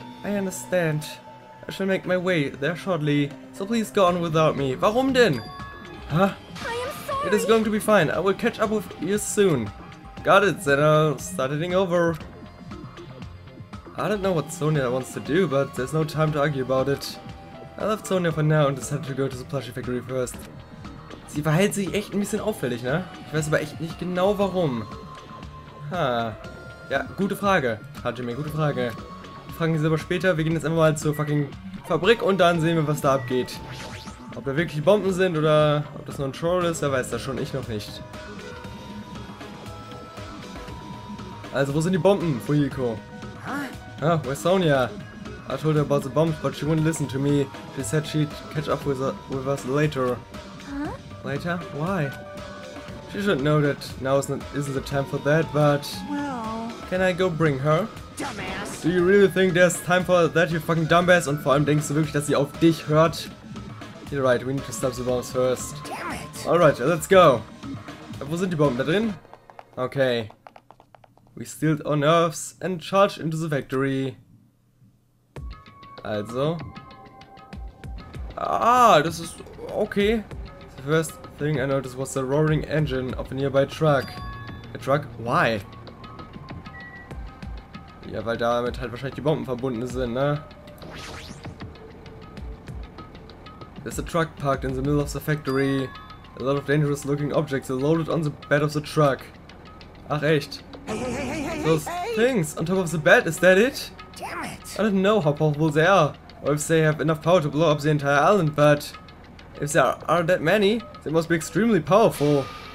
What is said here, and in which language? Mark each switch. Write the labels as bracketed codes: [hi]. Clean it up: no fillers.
[en] I understand. I shall make my way there shortly, so please go on without me. [de] Warum denn? [en] Huh? I am sorry! It is going to be fine, I will catch up with you soon! Got it, then I'll start heading over! I don't know what Sonya wants to do, but there's no time to argue about it. I left Sonya for now and decided to go to the plushie factory first. [de] Sie verhält sich echt ein bisschen auffällig, ne? Ich weiß aber echt nicht genau warum. Ha. Ja, gute Frage. Hajime, gute Frage. Fragen Sie selber später, wir gehen jetzt einfach mal zur fucking Fabrik und dann sehen wir, was da abgeht. Ob da wirklich Bomben sind oder ob das nur ein Troll ist, wer weiß das schon, ich noch nicht. Also, wo sind die Bomben, Fuyiko? [en] Huh, where's Sonya? I told her about the bombs, but she wouldn't listen to me. She said she'd catch up with us later. Huh? Later? Why? She should know that now isn't the time for that, but... Well... Can I go bring her? Dumbass! Do you really think there's time for that, you fucking dumbass? [de] Und vor allem denkst du wirklich, dass sie auf dich hört? [en] You're right, we need to stop the bombs first. Damn it! Alright, let's go! [de] Wo sind die Bomben? Da drin? Okay. [en] We stealed our nerves and charged into the factory. Also. Ah, this is okay. The first thing I noticed was the roaring engine of a nearby truck. A truck? Why? [de] Ja, weil damit halt wahrscheinlich die Bomben verbunden sind, ne? [en] There's a truck parked in the middle of the factory. A lot of dangerous looking objects are loaded on the bed of the truck. [de] Ach echt? [en] Those things on top of the bed, is that it? Damn it! I don't know how powerful they are, or if they have enough power to blow up the entire island, but if there are that many, they must be extremely powerful.